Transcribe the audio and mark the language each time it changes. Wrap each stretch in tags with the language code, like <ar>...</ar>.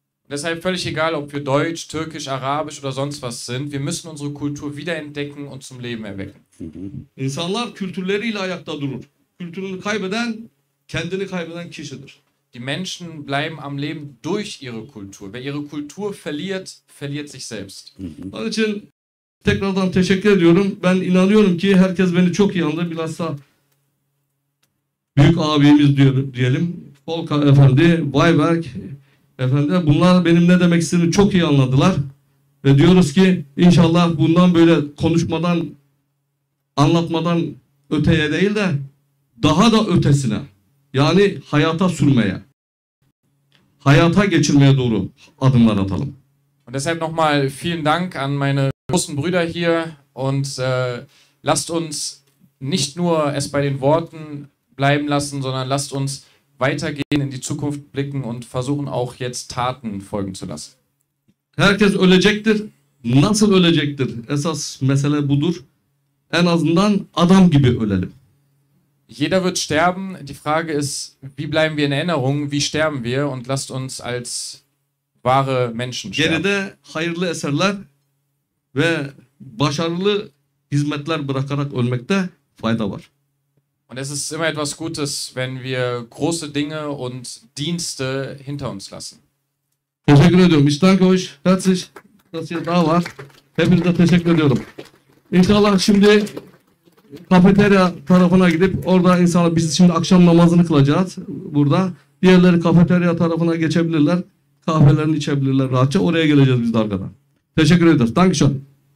<de>Deshalb völlig egal, ob wir Deutsch, Türkisch, Arabisch oder sonst was sind, wir müssen unsere Kultur wiederentdecken und zum Leben erwecken.</de> <tr>İnsanlar kültürleriyle ayakta durur. Kültürünü kaybeden, kendini kaybeden kişidir.</tr> <de>Die Menschen bleiben am Leben durch ihre Kultur. Wer ihre Kultur verliert, verliert sich selbst.</de> <tr>Onun için tekrardan teşekkür ediyorum. Ben inanıyorum ki herkes beni çok iyi anladı. Bilhassa büyük abimiz diyelim. Volkan Efendi, Bayberk Efendi. Bunlar benim ne demek istediğimi çok iyi anladılar. Ve diyoruz ki inşallah bundan böyle konuşmadan, anlatmadan öteye değil de daha da ötesine. Yani hayata sürmeye, hayata geçirmeye doğru adımlar atalım.</tr> <de>Und deshalb nochmal vielen Dank an meine großen Brüder hier und lasst uns nicht nur es bei den Worten bleiben lassen, sondern lasst uns weitergehen, in die Zukunft blicken und versuchen auch jetzt Taten folgen zu lassen.</de> <tr>Herkes ölecektir. Nasıl ölecektir? Esas mesele budur. En azından adam gibi ölelim.</tr> <de>Jeder wird sterben. Die Frage ist, wie bleiben wir in Erinnerung? Wie sterben wir? Und lasst uns als wahre Menschen sterben.</de> <tr>Geride hayırlı eserler ve başarılı hizmetler bırakarak ölmekte fayda var.</tr> <de>Und es ist immer etwas Gutes, wenn wir große Dinge und Dienste hinter uns lassen.</de> <tr>Teşekkür ediyorum.</tr> <de>Ich danke euch herzlich, dass ihr da wart.</de> <tr>Hepinize teşekkür ediyorum. İnşallah şimdi kafeterya tarafına gidip orada insanlar biz şimdi akşam namazını kılacağız burada. Diğerleri kafeterya tarafına geçebilirler. Kahvelerini içebilirler rahatça. Oraya geleceğiz biz de arkadan. Teşekkür ederiz.</tr> <de>Danke schön.</de>